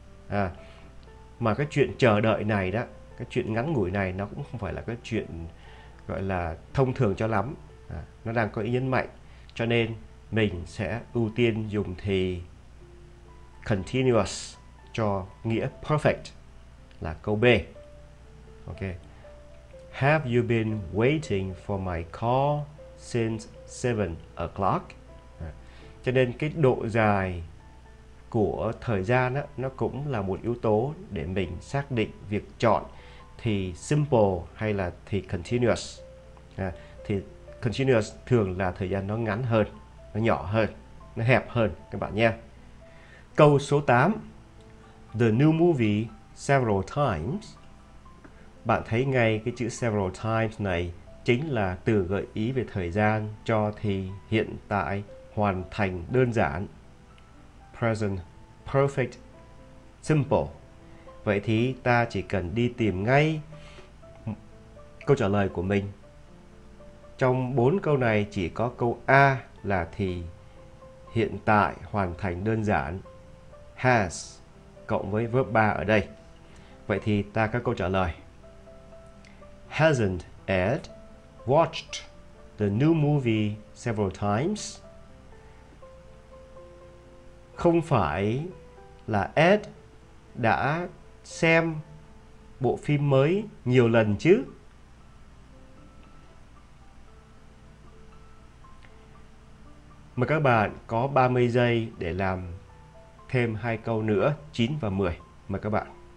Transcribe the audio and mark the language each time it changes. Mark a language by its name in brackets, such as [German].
[Vietnamese] À, mà cái chuyện chờ đợi này đó, cái chuyện ngắn ngủi này nó cũng không phải là cái chuyện gọi là thông thường cho lắm. À, nó đang có ý nhấn mạnh, cho nên mình sẽ ưu tiên dùng thì continuous cho nghĩa perfect là câu B. Ok. [English] Have you been waiting for my call since 7 o'clock? [Vietnamese] Cho nên cái độ dài của thời gian đó, nó cũng là một yếu tố để mình xác định việc chọn thì simple hay là thì continuous. À, thì continuous thường là thời gian nó ngắn hơn, nó nhỏ hơn, nó hẹp hơn các bạn nha. Câu số 8. [English] The new movie several times. [Vietnamese] Bạn thấy ngay cái chữ several times này chính là từ gợi ý về thời gian cho thì hiện tại hoàn thành đơn giản. [English] present perfect simple. [Vietnamese] Vậy thì ta chỉ cần đi tìm ngay câu trả lời của mình. Trong bốn câu này chỉ có câu A là thì, hiện tại hoàn thành đơn giản, has, cộng với verb 3 ở đây. Vậy thì ta có câu trả lời. [English] Hasn't Ed watched the new movie several times? [Vietnamese] Không phải là Ed đã xem bộ phim mới nhiều lần chứ? Mời các bạn có 30 giây để làm thêm hai câu nữa, 9 và 10. Mời các bạn.